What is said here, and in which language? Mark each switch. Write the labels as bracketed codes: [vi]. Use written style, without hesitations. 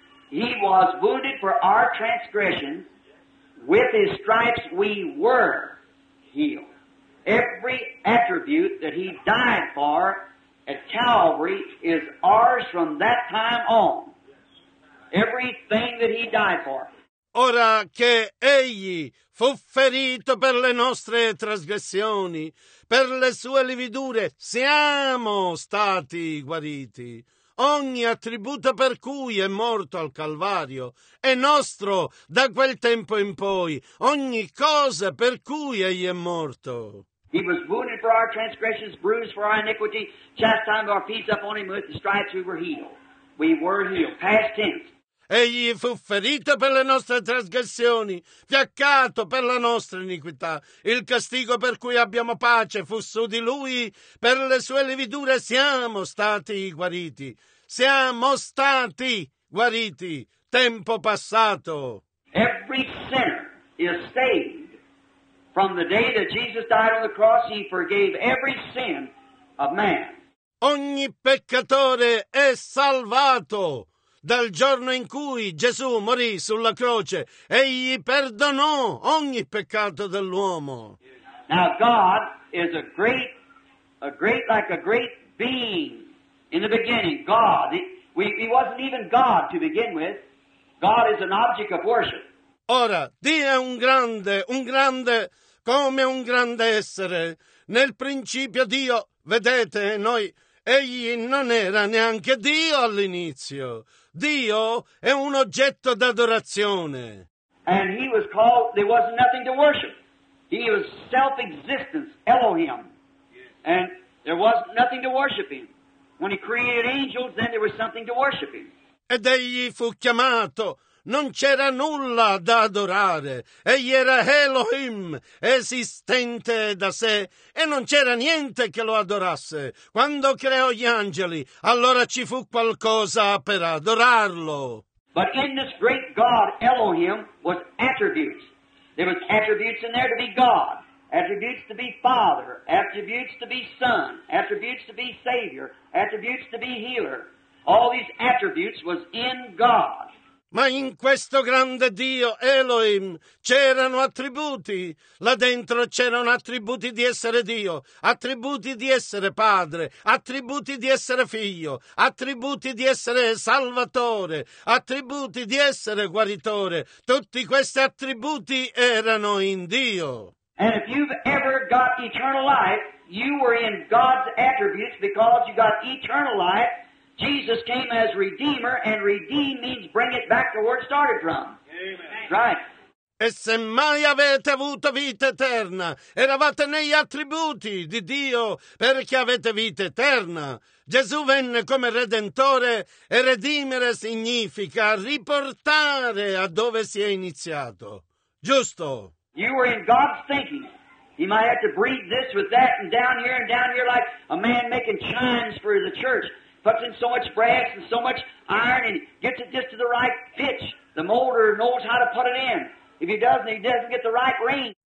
[en] He was wounded for our transgression, with his stripes we were healed. Every attribute that he died for at Calvary is ours from that time on. Everything that he died for. [it] Ora che egli fu ferito per le nostre trasgressioni, per le sue lividure, siamo stati guariti. ogni attributo per cui è morto al Calvario. È nostro da quel tempo in poi ogni cosa per cui egli è morto. [en] He was wounded for our transgressions, bruised for our iniquity, chastised for our peace upon him, with the stripes we were healed. We were healed. Past tense. [it] Egli fu ferito per le nostre trasgressioni, fiaccato per la nostra iniquità. Il castigo per cui abbiamo pace fu su di lui, per le sue lividure siamo stati guariti. Siamo stati guariti. Tempo passato. [en] Every sinner is saved. From the day that Jesus died on the cross, he forgave every sin of man. [it] Ogni peccatore è salvato. Dal giorno in cui Gesù morì sulla croce, egli perdonò ogni peccato dell'uomo. [en] Now God is a great like a great being in the beginning. God, he wasn't even God to begin with. God is an object of worship. [it] Ora, Dio è un grande come un grande essere. Nel principio Dio, vedete, noi, egli non era neanche Dio all'inizio. Dio è un oggetto d'adorazione. [en] And he was called, there was nothing to worship. He was self-existence, Elohim. And there was nothing to worship him. When he created angels, then there was something to worship him. [it] Ed egli fu chiamato. Non c'era nulla da adorare. Egli era Elohim, esistente da sé, e non c'era niente che lo adorasse. Quando creò gli angeli, allora ci fu qualcosa per adorarlo. [en] But in this great God, Elohim, was attributes. There was attributes in there to be God, attributes to be Father, attributes to be Son, attributes to be Savior, attributes to be Healer. All these attributes was in God. [it] Ma in questo grande Dio, Elohim, c'erano attributi. Là dentro c'erano attributi di essere Dio, attributi di essere Padre, attributi di essere Figlio, attributi di essere Salvatore, attributi di essere Guaritore. Tutti questi attributi erano in Dio. [en] And if you've ever got eternal life, you were in God's attributes because you got eternal life. Jesus came as Redeemer, and redeem means bring it back to where it started from. Amen. Right. [it] E se mai avete avuto vita eterna, eravate negli attributi di Dio perché avete vita eterna. Gesù venne come Redentore, e redimere significa riportare a dove si è iniziato. Giusto? [en] You were in God's thinking. He might have to breathe this with that and down here like a man making chimes for the church. Puts in so much brass and so much iron and gets it just to the right pitch. The molder knows how to put it in. If he doesn't, he doesn't get the right ring.